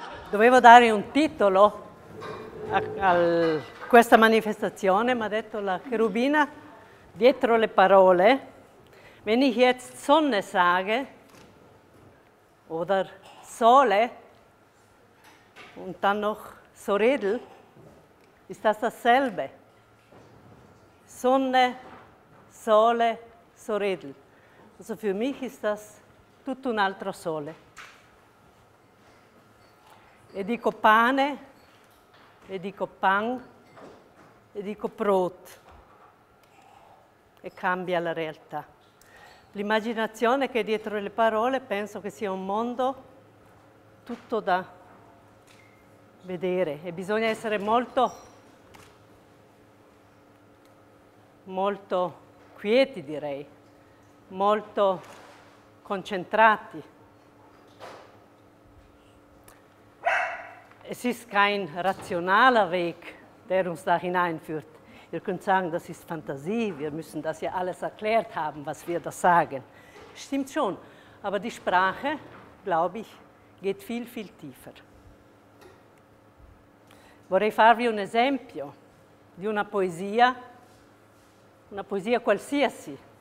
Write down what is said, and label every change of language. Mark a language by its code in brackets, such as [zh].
[it] dovevo dare un titolo a questa manifestazione, mi ha detto la cherubina dietro le parole. [de] Wenn ich jetzt Sonne sage, oder Sole, und dann noch Soredel, ist das dasselbe. Sonne, Sole, Soredel. Also für mich ist das [it] tutto un altro Sole. E dico pane, e dico pan, e dico brot. E cambia la realtà. L'immaginazione che è dietro le parole penso che sia un mondo tutto da vedere e bisogna essere molto, molto quieti, direi, molto concentrati. [de] Es ist kein rationaler Weg, der uns da hineinführt. Wir können sagen, das ist Fantasie, wir müssen das ja alles erklärt haben, was wir da sagen. Stimmt schon, aber die Sprache, glaube ich, geht viel, viel tiefer. [it] Vorrei farvi un esempio di una poesia qualsiasi.